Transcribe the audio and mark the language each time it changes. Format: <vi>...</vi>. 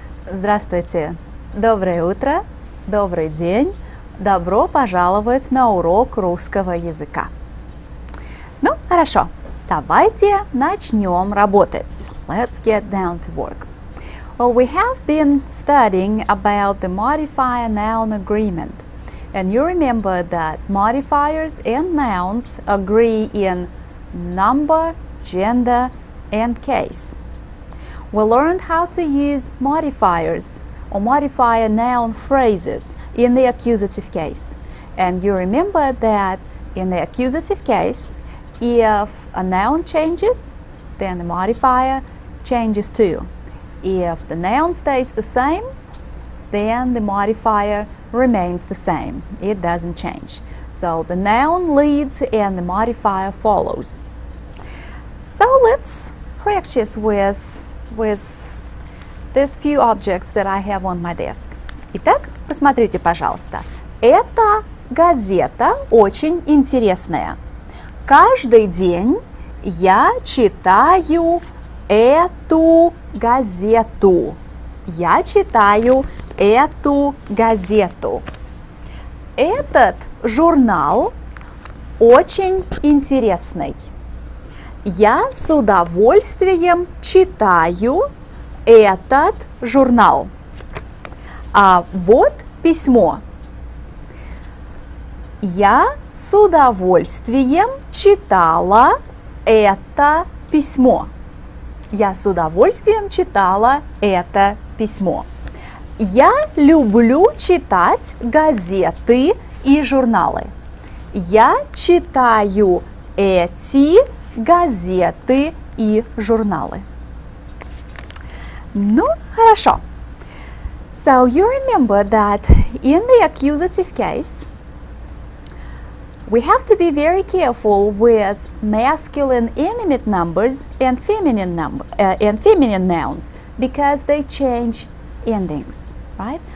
<ru>Здравствуйте! Доброе утро! Добрый день! Добро пожаловать на урок русского языка! Ну, хорошо! Давайте начнем работать!</ru> <en>Let's get down to work! Well, we have been studying about the modifier noun agreement. And you remember that modifiers and nouns agree in number, gender, and case. We learned how to use modifiers or modifier noun phrases in the accusative case. And you remember that in the accusative case, if a noun changes, then the modifier changes too. If the noun stays the same, then the modifier remains the same. It doesn't change. So the noun leads and the modifier follows. So let's practice with these few objects that I have on my desk.</en> <ru>Итак, посмотрите, пожалуйста. Эта газета очень интересная. Каждый день я читаю эту газету. Я читаю эту газету. Этот журнал очень интересный. Я с удовольствием читаю этот журнал. А вот письмо. Я с удовольствием читала это письмо. Я с удовольствием читала это письмо. Я люблю читать газеты и журналы. Я читаю эти газеты и журналы. Ну, хорошо.</ru> <en>So you remember that in the accusative case, we have to be very careful with masculine inanimate numbers and feminine nouns because they change endings, right?</en>